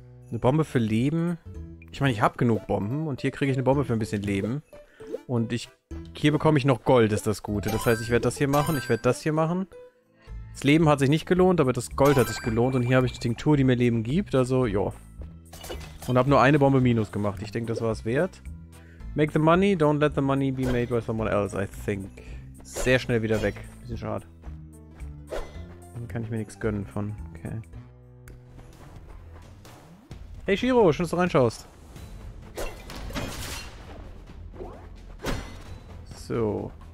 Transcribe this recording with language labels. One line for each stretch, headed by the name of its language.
German: Eine Bombe für Leben. Ich meine, ich habe genug Bomben und hier kriege ich eine Bombe für ein bisschen Leben. Und hier bekomme ich noch Gold, ist das Gute. Das heißt, ich werde das hier machen, ich werde das hier machen. Das Leben hat sich nicht gelohnt, aber das Gold hat sich gelohnt. Und hier habe ich eine Tinktur, die mir Leben gibt. Also, ja. Und habe nur eine Bombe minus gemacht. Ich denke, das war es wert.
English: Make the money, don't let the money be made by someone else, I think.
German: Sehr schnell wieder weg. Bisschen schade. Dann kann ich mir nichts gönnen von. Okay. Hey Shiro, schön, dass du reinschaust. So.